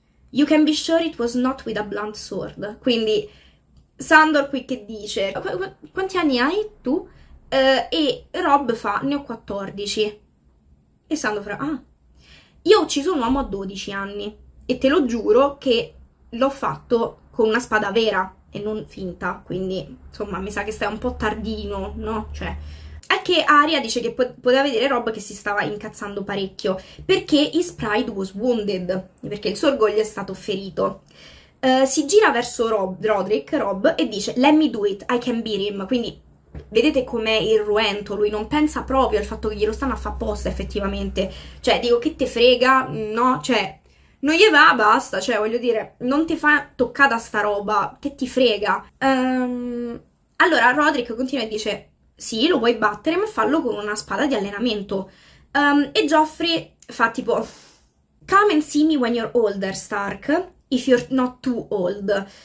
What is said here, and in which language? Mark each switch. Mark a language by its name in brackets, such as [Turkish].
[English] You can be sure it was not with a blunt sword." [Italian] Quindi Sandor qui che dice: "Quanti anni hai tu?" E Rob fa: "Ne ho 14." E Sandor fa: "Ah, io ho ucciso un uomo a 12 anni e te lo giuro che l'ho fatto con una spada vera e non finta." Quindi insomma, mi sa che stai un po' tardino, no? Cioè, è che Arya dice che poteva vedere Rob che si stava incazzando parecchio, perché [English] his pride was wounded, [Italian] perché il suo orgoglio è stato ferito. Si gira verso Roderick, Rob, e dice: [English] "Let me do it, I can beat him." [Italian] Quindi Vedete com'è irruento, lui non pensa proprio al fatto che glielo stanno a fa apposta effettivamente. Cioè, dico, che te frega? No, cioè, non gli va, basta, cioè, voglio dire, non ti fa toccare da sta roba, che ti frega? Allora, Roderick continua e dice, sì, lo puoi battere, ma fallo con una spada di allenamento. E Joffrey fa tipo, [English] come and see me when you're older, Stark, if you're not too old.